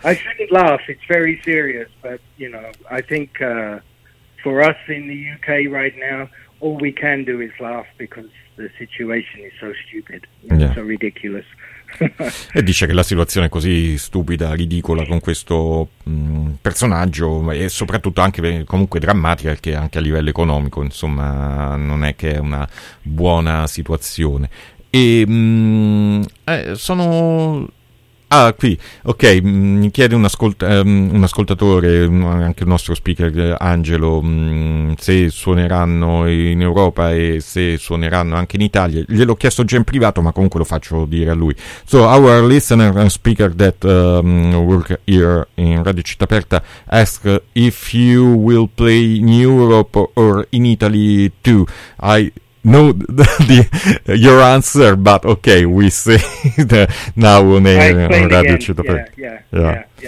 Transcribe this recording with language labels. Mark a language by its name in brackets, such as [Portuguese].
[English] I shouldn't laugh, it's very serious, but you know, I think for us in the UK right now, all we can do is laugh because the situation is so stupid, so ridiculous. [Italian] E dice che la situazione è così stupida, ridicola con questo personaggio e soprattutto anche comunque drammatica, che anche a livello economico, insomma, non è che è una buona situazione. E sono... Ah, qui, ok, mi chiede un ascoltatore, anche il nostro speaker Angelo, se suoneranno in Europa e se suoneranno anche in Italia. Gliel'ho chiesto già in privato, ma comunque lo faccio dire a lui. [English] So, our listener and speaker that work here in Radio Città Aperta ask if you will play in Europe or in Italy too. I... No, the your answer, but okay, we say the, now on Radio Città Aperta.